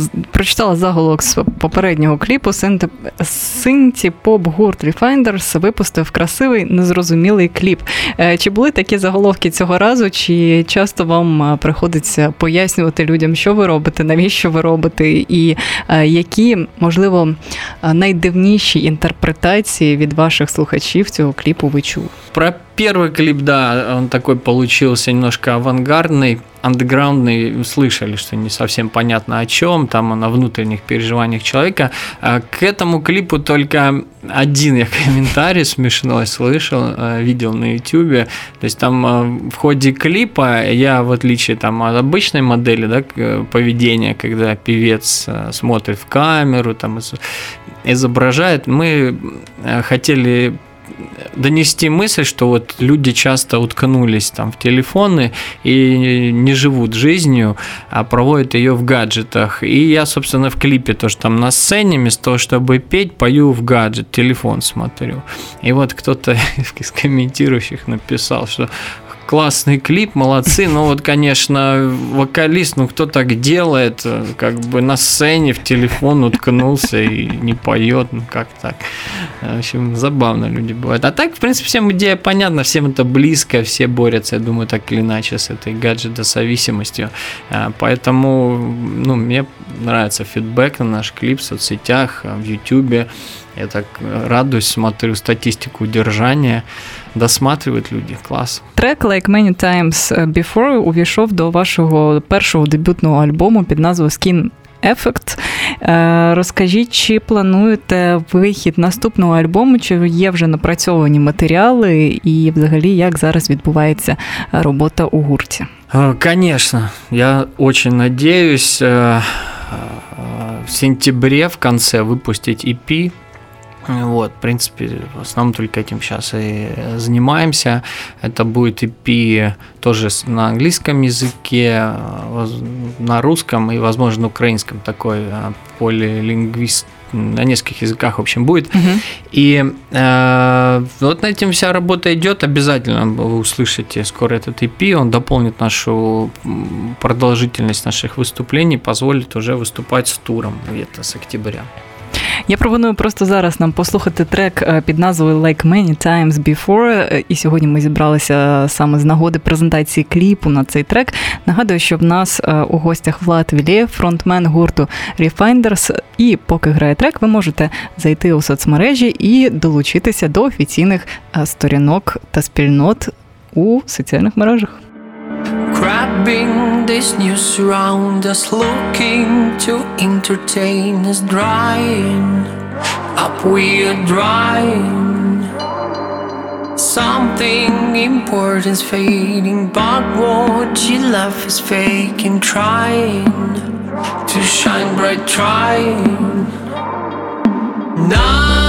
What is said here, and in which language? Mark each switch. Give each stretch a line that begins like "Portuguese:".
Ukrainian: Прочитала заголовок з попереднього кліпу. Синті-поп-гурт Refinders випустив красивий, незрозумілий кліп. Чи були такі заголовки цього разу? Чи часто вам приходиться пояснювати людям, що ви робите, навіщо ви робите? І які, можливо, найдивніші інтерпретації від ваших слухачів цього кліпу ви чули?
Russian: Про первый клип, да, он такой получился немножко авангардный, андеграундный. Слышали, что не совсем понятно о чем, там о внутренних переживаниях человека. К этому клипу только один я комментарий смешной слышал, видел на YouTube. То есть там в ходе клипа я, в отличие там от обычной модели, да, поведения, когда певец смотрит в камеру, там изображает, мы хотели донести мысль, что вот люди часто уткнулись там в телефоны и не живут жизнью, а проводят ее в гаджетах. И я, собственно, в клипе тоже там на сцене, вместо того, чтобы петь, пою в гаджет, телефон смотрю. И вот кто-то из комментирующих написал, что классный клип, молодцы, но вот, конечно, вокалист, ну кто так делает, как бы на сцене в телефон уткнулся и не поет, ну как так? В общем, забавно люди бывают. А так, в принципе, всем идея понятна, всем это близко, все борются, я думаю, так или иначе, с этой гаджетозависимостью. Поэтому, ну, мне нравится фидбэк на наш клип в соцсетях, в Ютубе. Я так радуюсь, смотрю статистику удержания. Досматривают люди, клас.
Ukrainian: Трек «Like Many Times Before» увійшов до вашого першого дебютного альбому під назвою «Skin Effect». Розкажіть, чи плануєте вихід наступного альбому, чи є вже напрацьовані матеріали, і взагалі, як зараз відбувається робота у гурті?
Russian: Конечно,
Ukrainian: я дуже сподіваюся в сентябрі в кінці випустити EP.
Russian: Вот, в принципе, в основном только этим сейчас и занимаемся. Это будет EP тоже на английском языке, на русском и, возможно, украинском, такой полилингвист, на нескольких языках, в общем, будет. И вот над этим вся работа идет. Обязательно вы услышите скоро этот EP. Он дополнит нашу продолжительность наших выступлений, позволит уже выступать с туром где-то с октября.
Ukrainian: Я пропоную просто зараз нам послухати трек під назвою «Like Many Times Before». І сьогодні ми зібралися саме з нагоди презентації кліпу на цей трек. Нагадую, що в нас у гостях Влад Вілєєв, фронтмен гурту «Refinders». І поки грає трек, ви можете зайти у соцмережі і долучитися до офіційних сторінок та спільнот у соціальних мережах.
English: Grabbing this news around us, looking to entertain us, drying up we are drying. Something important's fading, but what you love is fake, and trying to shine bright, trying. Now